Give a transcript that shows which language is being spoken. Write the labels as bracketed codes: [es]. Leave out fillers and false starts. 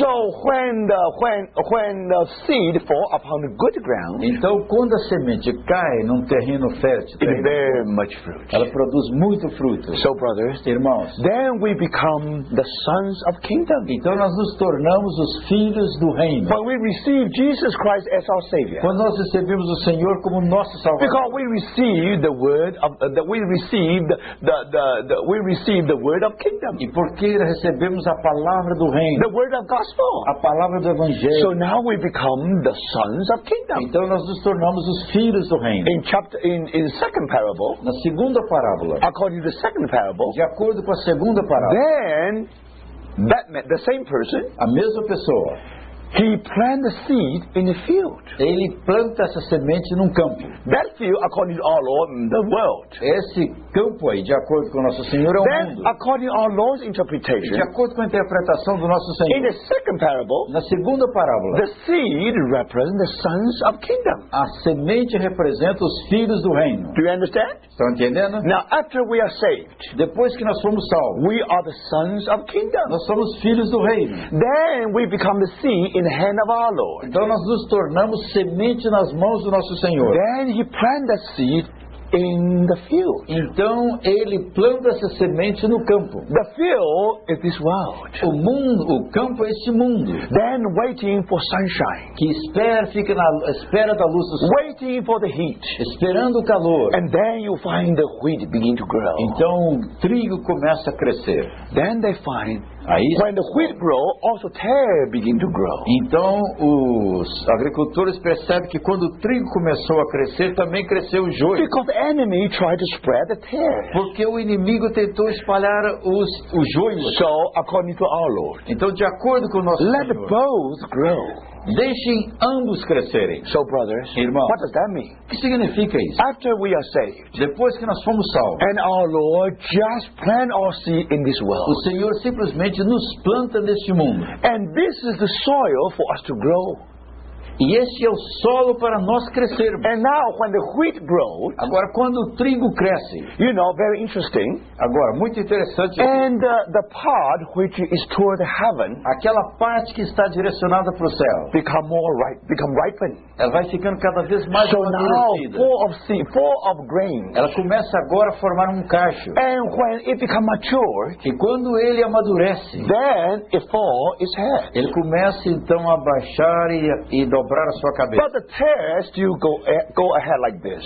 [en] So when the seed falls upon the good ground, [pt] então quando a semente cai num terreno fértil, [en] it bears much fruit. [pt] Ela produz muito fruto. [en] So brothers, [pt] irmãos, [en] then we become the sons of kingdom. [pt] Então nós nos tornamos os filhos do reino. [en] When we receive Jesus Christ as our Savior, [pt] quando nós recebemos o Senhor como nosso Salvador, [en] because we receive the word of we receive the word of kingdom. [pt] E porque recebemos a palavra do reino, [en] the word of gospel, [pt] a palavra do evangelho. [en] So now we become the sons of kingdom. [pt] Então nós nos tornamos os filhos do reino. [en] In the second parable, [pt] na segunda parábola, [en] according to the second parable, [pt] de acordo com a segunda parábola, [en] then that the same person, [pt] a mesma pessoa, [en] He planted the seed in the field. [pt] Ele planta essa semente num campo. [en] That field, according to our Lord, the world. [pt] Esse campo aí, de acordo com Nosso Senhor, é o [en] then, [pt] mundo. [en] According to our Lord's interpretation. [pt] De acordo com a interpretação do Nosso Senhor. [en] In the second parable. [pt] Na segunda parábola. [en] The seed represents the sons of kingdom. [pt] A semente representa os filhos do reino. [en] Do you understand? [pt] Estão entendendo? [en] Now, after we are saved. [pt] Depois que nós fomos salvos. [en] We are the sons of kingdom. [pt] Nós somos filhos do reino. [en] Then we become the seed. In the hand of our Lord. [pt] Então nós nos tornamos semente nas mãos do Nosso Senhor. [en] Then he planted the seed in the field. [pt] Então ele planta essa semente no campo. [en] The field is this world. [pt] O mundo, o campo é este mundo. [en] Then waiting for sunshine. [pt] Que espera, fica na espera da luz do sol. [en] Waiting for the heat. [pt] Esperando o calor. [en] And then you find the wheat begin to grow. [pt] Então o trigo começa a crescer. [en] Then they find. [pt] Aí, [en] when the wheat grow, also tares begin to grow. [pt] Então os agricultores percebem que quando o trigo começou a crescer, também cresceu o joio. [en] Because the enemy tried to spread the tares. [pt] Porque o inimigo tentou espalhar o joio. [en] So, according to our Lord. [pt] Então de acordo com o nosso [en] Let [pt] Senhor. [en] Let both grow. [pt] Deixem ambos crescerem. [en] So brothers, [pt] irmãos, [en] what does that mean? [pt] Que significa isso? [en] After we are saved, [pt] depois que nós fomos salvos, [en] and our Lord just plant our seed in this world. [pt] O Senhor simplesmente nos planta neste mundo. [en] And this is the soil for us to grow. [pt] E este é o solo para nós crescermos. [en] And now, when the wheat grows, [pt] agora quando o trigo cresce, [en] you know, very interesting. [pt] Agora muito interessante. [en] And the part which is toward the heaven, [pt] aquela parte que está direcionada para o céu, [en] become more ripe, become ripened. [pt] Ela vai ficando cada vez mais amadurecida. [en] So now, full of seed, full of grain. [pt] Ela começa agora a formar um cacho. [en] And when it becomes mature, [pt] e quando ele amadurece, [en] then it falls its head. [pt] Ele começa então a baixar e dobrar a sua cabeça. [en] But the tares still go ahead like this.